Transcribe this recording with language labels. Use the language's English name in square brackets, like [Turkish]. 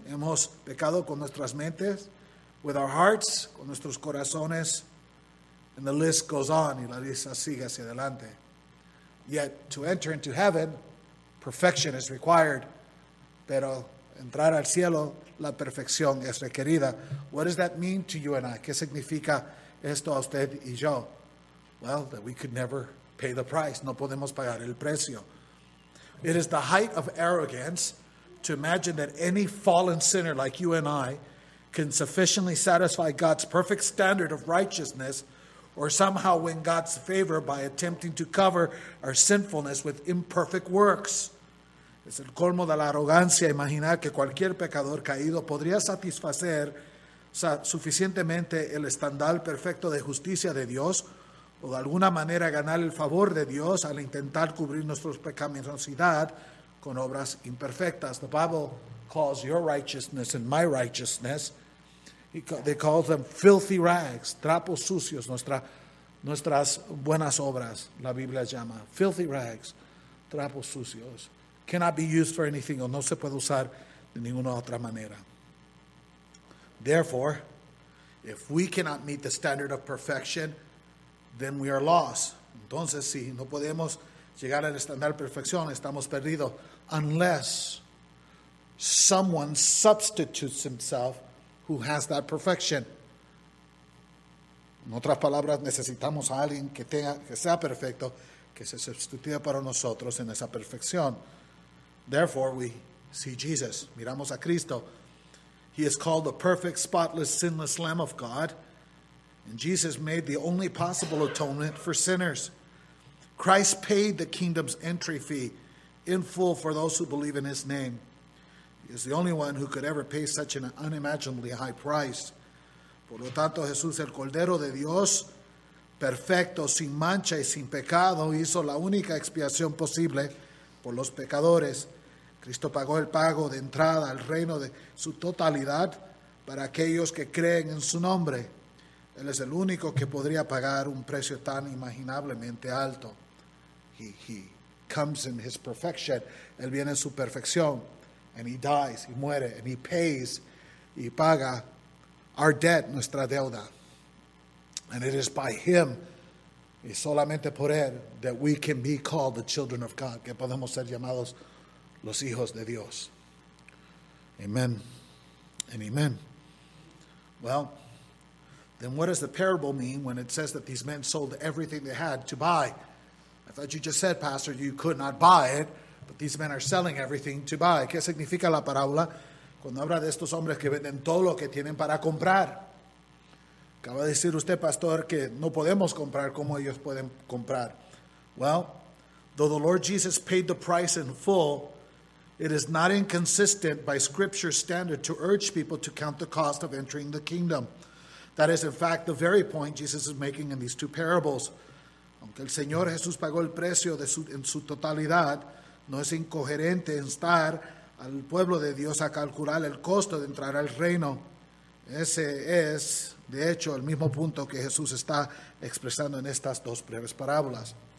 [Spanish] Hemos pecado con nuestras mentes. [English] With our hearts, [Spanish] con nuestros corazones. [English] And the list goes on. [Spanish] Y la lista sigue hacia adelante. [English] Yet, to enter into heaven, perfection is required. [Spanish] Pero entrar al cielo, la perfección es requerida. [English] What does that mean to you and I? [Spanish] ¿Qué significa esto a usted y yo? [English] Well, that we could never pay the price. [Spanish] No podemos pagar el precio. [English] It is the height of arrogance to imagine that any fallen sinner like you and I can sufficiently satisfy God's perfect standard of righteousness or somehow win God's favor by attempting to cover our sinfulness with imperfect works. [Spanish] Es el colmo de la arrogancia imaginar que cualquier pecador caído podría satisfacer suficientemente el estándar perfecto de justicia de Dios o de alguna manera ganar el favor de Dios al intentar cubrir nuestra pecaminosidad con obras imperfectas. [English] The Bible calls your righteousness and my righteousness, they call them filthy rags, [Spanish] trapos sucios, nuestras buenas obras, la Biblia llama. [English] Filthy rags, [Spanish] trapos sucios. [English] Cannot be used for anything, [Spanish] o no se puede usar de ninguna otra manera. [English] Therefore, if we cannot meet the standard of perfection, then we are lost. [Spanish] Entonces, si no podemos llegar al estándar de perfección, estamos perdidos. [English] Unless someone substitutes himself who has that perfection. [Spanish] En otras palabras, necesitamos a alguien que sea perfecto, que se sustituya para nosotros en esa perfección. [English] Therefore, we see Jesus. [Spanish] Miramos a Cristo. [English] He is called the perfect, spotless, sinless Lamb of God. And Jesus made the only possible atonement for sinners. Christ paid the kingdom's entry fee in full for those who believe in his name. He is the only one who could ever pay such an unimaginably high price. [Spanish] Por lo tanto, Jesús, el Cordero de Dios, perfecto, sin mancha y sin pecado, hizo la única expiación posible por los pecadores. Cristo pagó el pago de entrada al reino de su totalidad para aquellos que creen en su nombre. Él es el único que podría pagar un precio tan imaginablemente alto. [English] He comes in his perfection. [Spanish] Él viene en su perfección. [English] And he dies, [Spanish] y muere, [English] and he pays, [Spanish] y paga [English] our debt, [Spanish] nuestra deuda. [English] And it is by him, [Spanish] y solamente por él, [English] that we can be called the children of God, [Spanish] que podemos ser llamados los hijos de Dios. [English] Amen and amen. Well, then what does the parable mean when it says that these men sold everything they had to buy? I thought you just said, Pastor, you could not buy it, but these men are selling everything to buy. [Spanish] ¿Qué significa la parábola cuando habla de estos hombres que venden todo lo que tienen para comprar? Acaba de decir usted, Pastor, que no podemos comprar como ellos pueden comprar. [English] Well, though the Lord Jesus paid the price in full, it is not inconsistent by Scripture's standard to urge people to count the cost of entering the kingdom. That is, in fact, the very point Jesus is making in these two parables. [Spanish] Aunque el Señor Jesús pagó el precio de su, en su totalidad, no es incoherente instar al pueblo de Dios a calcular el costo de entrar al reino. Ese es, de hecho, el mismo punto que Jesús está expresando en estas dos breves parábolas.